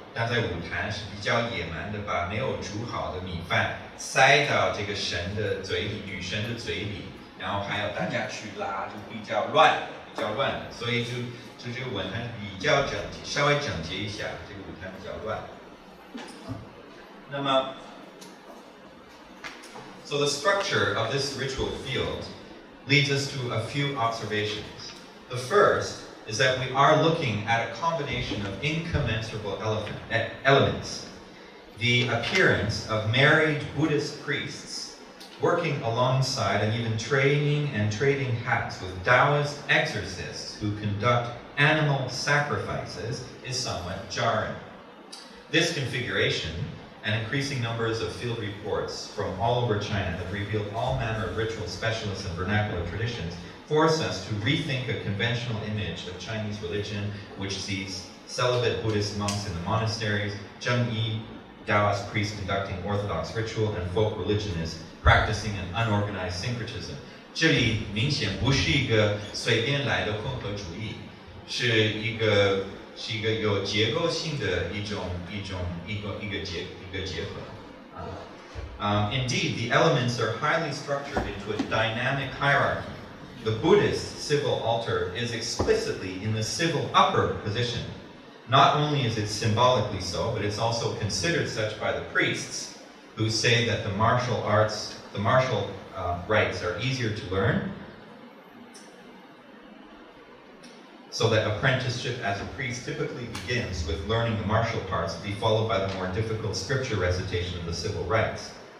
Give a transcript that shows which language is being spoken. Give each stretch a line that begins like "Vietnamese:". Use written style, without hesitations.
Chinese: 但在舞坛是比较野蛮的，把没有煮好的米饭塞到这个神的嘴里，女神的嘴里，然后还要大家去拉，就比较乱，所以就这个舞坛比较整洁，稍微整洁一下，这个舞坛比较乱。那么
English: ，so the structure of this ritual field leads us to a few observations. The first is that we are looking at a combination of incommensurable elements. The appearance of married Buddhist priests working alongside and even training and trading hats with Taoist exorcists who conduct animal sacrifices is somewhat jarring. This configuration and increasing numbers of field reports from all over China have revealed all manner of ritual specialists and vernacular traditions force us to rethink a conventional image of Chinese religion which sees celibate Buddhist monks in the monasteries, Zheng Yi,Taoist priests conducting orthodox ritual and folk religionists practicing an unorganized syncretism.
Chinese: 这里明显不是一个随便来的混合主义，是一个有结构性的一个结合。
English: Indeed, the elements are highly structured into a dynamic hierarchy. The Buddhist civil altar is explicitly in the civil upper position. Not only is it symbolically so, but it's also considered such by the priests who say that the martial arts, the martial rites are easier to learn, so that apprenticeship as a priest typically begins with learning the martial parts, be followed by the more difficult scripture recitation of the civil rites.